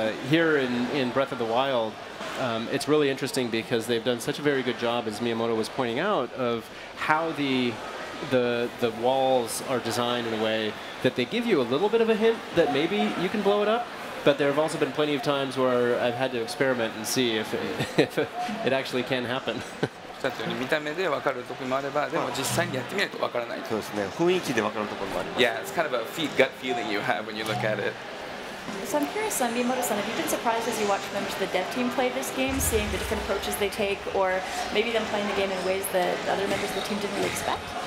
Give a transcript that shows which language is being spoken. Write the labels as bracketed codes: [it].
[en] Here in Breath of the Wild, it's really interesting because they've done such a very good job, as Miyamoto was pointing out, of how the walls are designed in a way that they give you a little bit of a hint that maybe you can blow it up, but there have also been plenty of times where I've had to experiment and see if it actually can happen. [ja] 見た目で分かるときもあれば、でも実際にやってみないと分からない。そうですね。雰囲気で分かるところもあります。 [en] Yeah, it's kind of a gut feeling you have when you look at it. So I'm curious, Miyamoto-san, have you been surprised as you watch members of the dev team play this game, seeing the different approaches they take, or maybe them playing the game in ways that other members of the team didn't really expect?